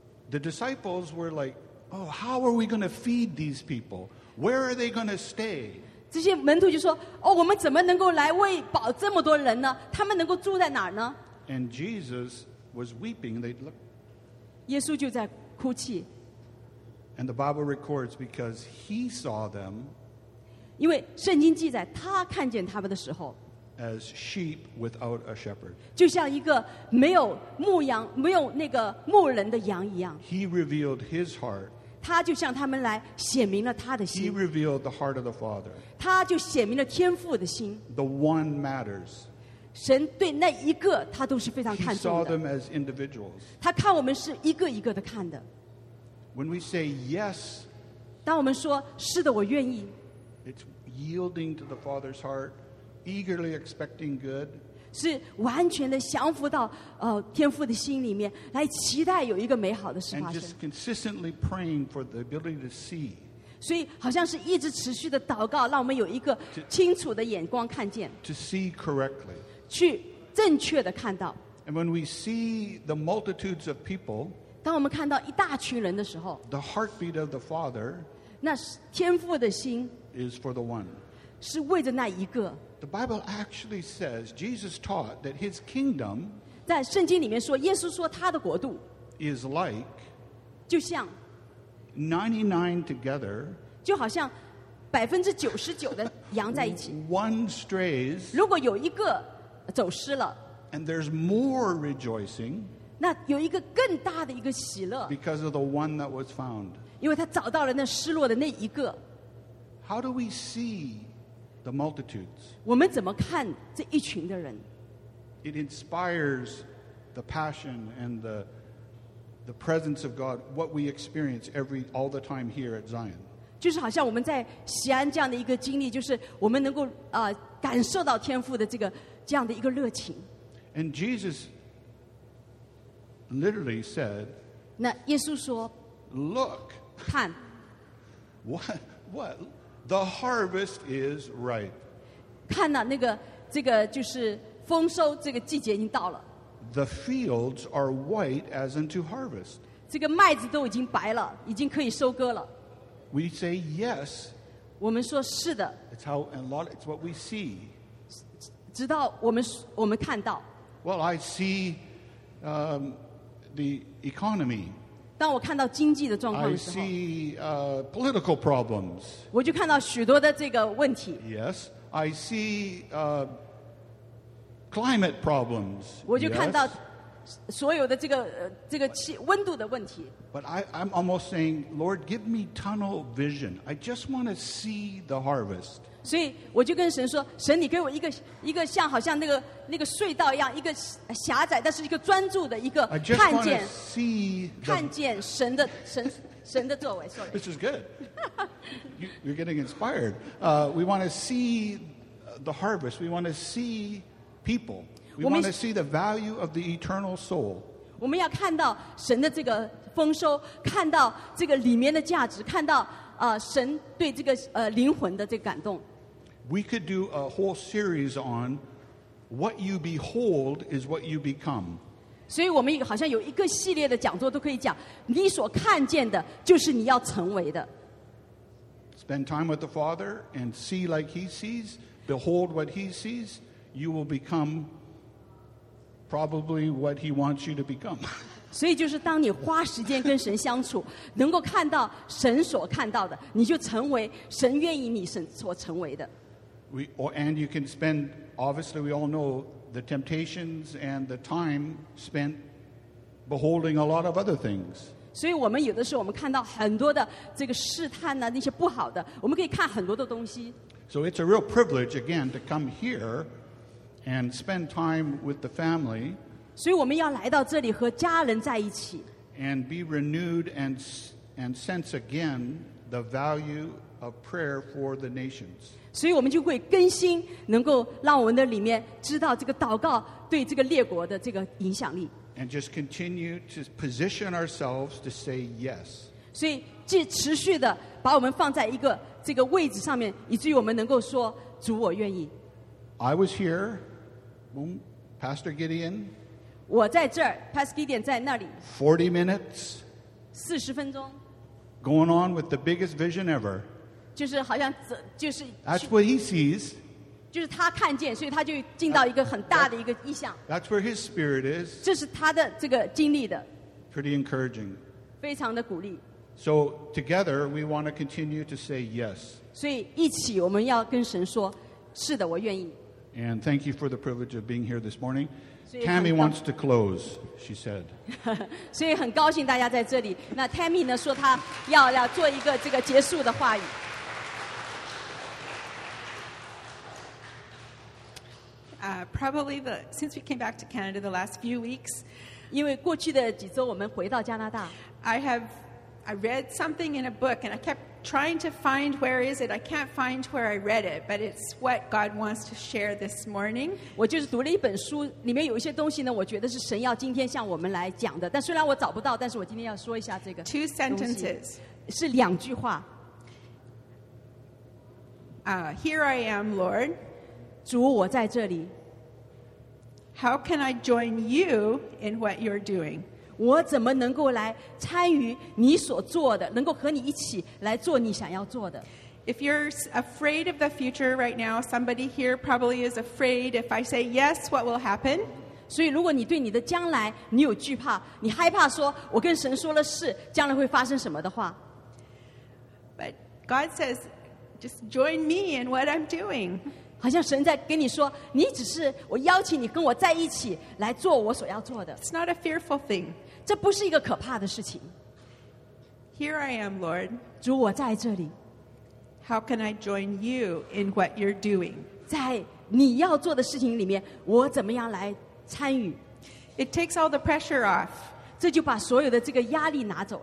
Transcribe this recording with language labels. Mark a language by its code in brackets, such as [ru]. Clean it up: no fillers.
[en] The disciples were like, "Oh, how are we going to feed these people?" Where are they going to stay? [zh] 这些门徒就说：“哦，我们怎么能够来喂饱这么多人呢？他们能够住在哪儿呢？” [en] And Jesus was weeping. They look. [zh] 耶稣就在哭泣。 [en] And the Bible records because he saw them. [zh] 因为圣经记载，他看见他们的时候。 [en] As sheep without a shepherd. [zh] 就像一个没有牧羊、没有那个牧人的羊一样。 [en] He revealed his heart. [zh] 他就向他们来显明了他的心。 [en] He revealed the heart of the Father. [zh] 他就显明了天父的心。 [en] The one matters. [zh] 神对那一个他都是非常看重的。 [en] He saw them as individuals. [zh] 他看我们是一个一个的看的。 [en] When we say yes, [zh] 当我们说是的，我愿意。 [en] It's yielding to the Father's heart, eagerly expecting good. [zh] 是完全的降服到天父的心里面，来期待有一个美好的事发生。 [en] And just consistently praying for the ability to see. [zh] 所以好像是一直持续的祷告，让我们有一个清楚的眼光看见。 [en] To see correctly. [zh] 去正确的看到。 [en] And when we see the multitudes of people. [zh] 当我们看到一大群人的时候。 [en] The heartbeat of the Father. [zh] 那天父的心。 [en] Is for the one. [zh] 是为着那一个。 [en] The Bible actually says Jesus taught that His kingdom, [zh] 在圣经里面说，耶稣说他的国度 [en] is like, [zh] 就像 [en] 99 together, [zh] 就好像99%的羊在一起 [en] one strays, [zh] 如果有一个走失了 [en] and there's more rejoicing, [zh] 那有一个更大的一个喜乐 [en] because of the one that was found, [zh] 因为他找到了那失落的那一个 [en] How do we see? The multitudes. [zh] 我们怎么看这一群的人 [en] ？It inspires the passion and the presence of God. What we experience all the time here at Zion. [zh] 就是好像我们在锡安这样的一个经历，就是我们能够感受到天父的这样的一个热情。 [en] And Jesus literally said. [zh] 那耶稣说 [en] ，Look. [zh] 看。 [en] What? The harvest is ripe. [zh] 看了那个这个就是丰收这个季节已经到了。 [en] The fields are white as unto harvest. [zh] 这个麦子都已经白了，已经可以收割了。 [en] We say yes. [zh] 我们说是的。 [en] It's what we see. [zh] 直到我们看到。 [en] Well, I see, the economy. [zh] 当我看到经济的状况的时候 [en] I see, political problems. [zh] 我就看到许多的这个问题 [en] Yes, I see, climate problems. [zh] 我就看到所有的这个温度的问题 [en] But I'm almost saying, Lord, give me tunnel vision. I just want to see the harvest. [zh] 所以我就跟神说神你给我一个像好像那个隧道一样一个狭窄但是一个专注的一个看见 看见神的作为 [en] Sorry. This is good. You're getting inspired. We want to see the harvest. We want to see people. We want to see the value of the eternal soul. [zh] 我们要看到神的这个丰收看到这个里面的价值看到神对这个灵魂的这个感动。 [en] We could do a whole series on What you behold is what you become. [zh] 所以我们好像有一个系列的讲座都可以讲，你所看见的就是你要成为的。 [en] Spend time with the Father and see like He sees, behold what He sees, you will become probably what He wants you to become. [zh] 所以就是当你花时间跟神相处，能够看到神所看到的，你就成为神愿意你所成为的。 [en] And you can spend, obviously we all know the temptations and the time spent beholding a lot of other things. [zh] 所以我们有的时候我们看到很多的这个试探啊，那些不好的，我们可以看很多的东西。 [en] So it's a real privilege again to come here and spend time with the family. [zh] 所以我们要来到这里和家人在一起。 [en] And be renewed and sense again the value of prayer for the nations. [zh] 所以我们就会更新，能够让我们的里面知道这个祷告对这个列国的这个影响力。 [en] And just continue to position ourselves to say yes. [zh] 所以继持续的把我们放在一个这个位置上面，以至于我们能够说主，我愿意。 [en] I was here, boom, Pastor Gideon. [zh] 我在这儿 ，Pastor Gideon 在那里。 [en] 40 minutes. [zh] 四十分钟。 [en] Going on with the biggest vision ever. [zh] 就是好像就是 [en] That's what he sees. [zh] 就是他看见，所以他就进到一个很大的一个意象。 [en] That's where his spirit is. [zh] 这是他的这个经历的。 [en] Pretty encouraging. [zh] 非常的鼓励。 [en] So together we want to continue to say yes. [zh] 所以一起我们要跟神说，是的，我愿意。 [en] And thank you for the privilege of being here this morning. Tammy wants to close, she said. [zh] 所以很高兴大家在这里。那 Tammy 呢说她要做一个这个结束的话语。 [en] Probably the since we came back to Canada the last few weeks, [zh] 因为过去的几周我们回到加拿大 [en] I read something in a book and I kept trying to find where is it. I can't find where I read it, but it's what God wants to share this morning. [zh] 我就是读了一本书，里面有一些东西呢，我觉得是神要今天向我们来讲的。但虽然我找不到，但是我今天要说一下这个东西。 [en] Two sentences [zh] 是两句话。 [en] Here I am, Lord. [zh] 主，我在这里。 [en] How can I join you in what you're doing? [zh] 我怎么能够来参与你所做的，能够和你一起来做你想要做的？ [en] If you're afraid of the future right now, somebody here probably is afraid. If I say yes, what will happen? [zh] 所以如果你对你的将来你有惧怕，你害怕说我跟神说了是，将来会发生什么的话？ [en] But God says, just join me in what I'm doing. [zh] 好像神在跟你说，你只是我邀请你跟我在一起来做我所要做的。 [en] It's not a fearful thing. [zh] 这不是一个可怕的事情。 [en] Here I am, Lord. [zh] 主，我在这里。 [en] How can I join you in what you're doing? [zh] 在你要做的事情里面，我怎么样来参与 [en] ？It takes all the pressure off. [zh] 这就把所有的这个压力拿走。